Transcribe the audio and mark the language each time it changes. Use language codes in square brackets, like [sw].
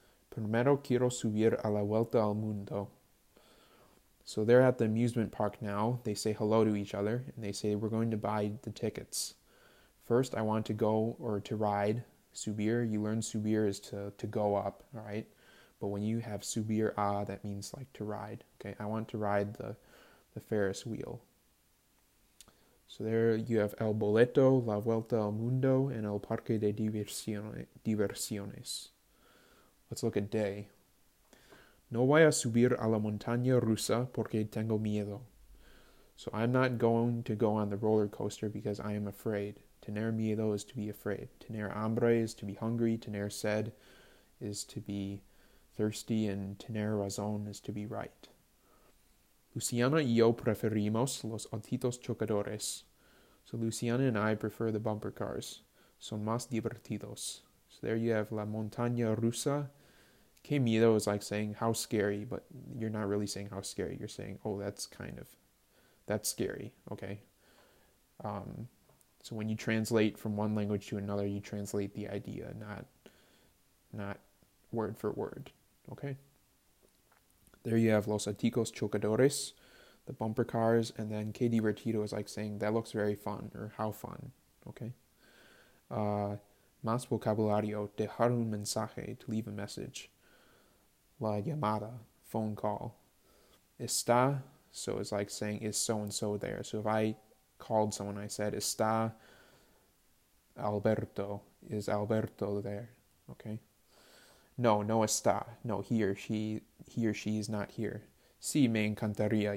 [es] Primero quiero subir a la vuelta al mundo. [en] So, they're at the amusement park now. They say hello to each other, and they say, we're going to buy the tickets. First, I want to go or to ride. Subir, you learn subir is to go up, all right? But when you have subir a, that means like to ride, okay? I want to ride the Ferris wheel. So there you have el boleto, [es] la vuelta al mundo, [en] and [es] el parque de diversiones. [en] Let's look at day. [es] No voy a subir a la montaña rusa porque tengo miedo. [en] So I'm not going to go on the roller coaster because I am afraid. [es] Tener miedo [en] is to be afraid. [es] Tener hambre [en] is to be hungry. [es] Tener sed [en] is to be thirsty. And [es] tener razón [en] is to be right. [es] Luciana y yo preferimos los autitos chocadores. [en] So Luciana and I prefer the bumper cars. [es] Son más divertidos. [en] So there you have [es] la montaña rusa. Que miedo [en] is like saying how scary, but you're not really saying how scary. You're saying, oh, that's scary. Okay. So when you translate from one language to another, you translate the idea, not word for word. Okay. There you have [es] los auténticos chocadores, [en] the bumper cars, and then [es] que divertido [en] is like saying that looks very fun or how fun. Okay. [es] Más vocabulario, dejar un mensaje, [en] to leave a message. [es] La llamada, [en] phone call. Está, so it's like saying, is so-and-so there? So if I called someone, I said, [es] está Alberto, [en] is Alberto there? Okay. [es] No está. [en] No, he or she is not here. [es] Sí, me encantaría.